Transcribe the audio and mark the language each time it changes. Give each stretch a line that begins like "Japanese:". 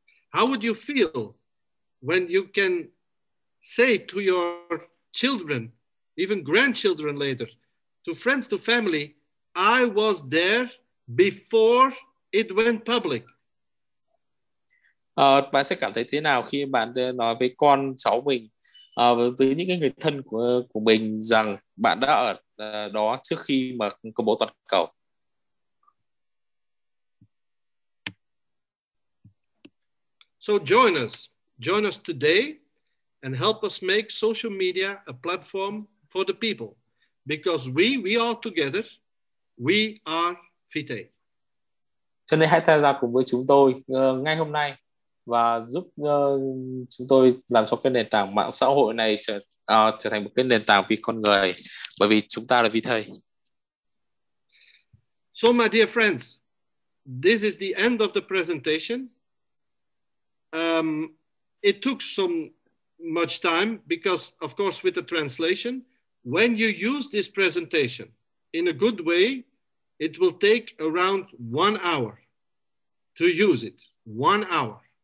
English: How would you feel when you can say to your children, even grandchildren later, to friends, to family, I was there before it went public?
Vietnamese: Bạn sẽ cảm thấy thế nào khi bạn nói với con cháu mình, với những cái người thân của mình rằng bạn đã ở đó trước khi mà công bố toàn cầu?
English: So join us today and help us make social media a platform for the people, because we all together, we are Vitae.
Vietnamese: Cho nên hãy tham gia cùng với chúng tôi ngay hôm nay và giúp chúng tôi làm cho cái nền tảng mạng xã hội này trở thành một cái nền tảng vì con người, bởi vì chúng ta là vị thầy.
English: So my dear friends, this is the end of the presentation. It took some much time because of course with the translation, when you use this presentation in a good way, it will take around 1 hour to use it. 1 hour.